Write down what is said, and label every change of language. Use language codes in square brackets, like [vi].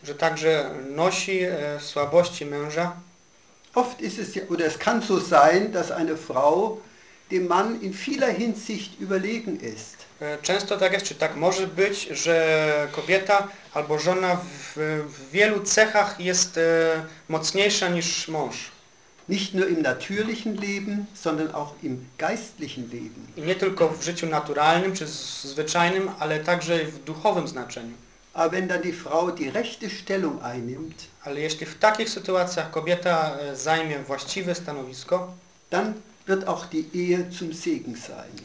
[pl] że także nosi słabości męża. [de] Oft ist es ja, oder es kann so sein, dass eine Frau dem Mann in vieler Hinsicht überlegen ist. [pl] Często tak jest, czy tak może być, że kobieta albo żona w wielu cechach jest mocniejsza niż mąż. [de] Nicht nur im natürlichen Leben, sondern auch im geistlichen Leben. [pl] I nie tylko w życiu naturalnym czy zwyczajnym, ale także w duchowym znaczeniu. [de] Aber wenn dann die Frau die rechte Stellung einnimmt, [pl] ale jeśli w takich sytuacjach kobieta zajmie właściwe stanowisko, [de] dann wird auch die Ehe zum Segen sein.